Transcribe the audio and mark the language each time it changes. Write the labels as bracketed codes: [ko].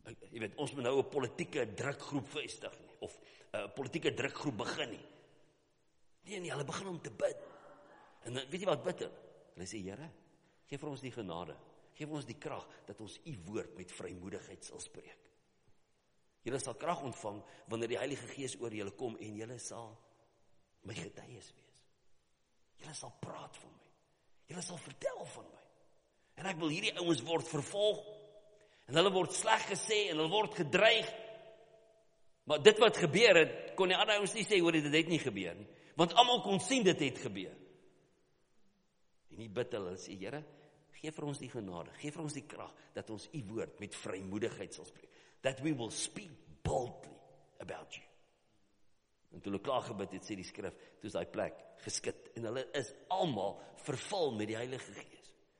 [af] Jy weet, ons moet nou een politieke drukgroep vestig nie, of politieke drukgroep begin nie. Nee, nie, hulle begin om te bid. En weet jy wat bid hulle? Hulle sê, Here, geef vir ons die genade, geef ons die kracht, dat ons die woord met vrymoedigheid sal spreek. Julle sal krag ontvang, wanneer die Heilige Gees oor julle kom, en julle sal my getuies wees. Julle sal praat van my. Julle sal vertel van my. En ek wil hierdie ouens word vervolg, en hulle word sleg gesê, en hulle word gedreig. Maar dit wat gebeur het, kon die ander ouens nie sê, hoor, dit het nie gebeur nie. Want allemaal kon sien, dit het gebeur. En die bid hulle, sê, Here, geef vir ons die genade, geef vir ons die kracht, dat ons die woord met vrymoedigheid sal spreek. [en] That we will speak boldly about you. [af] En toe hulle klaar gebid het, sê die skrif, toe is die plek geskit, en hulle is allemaal vervul met die Heilige Gees.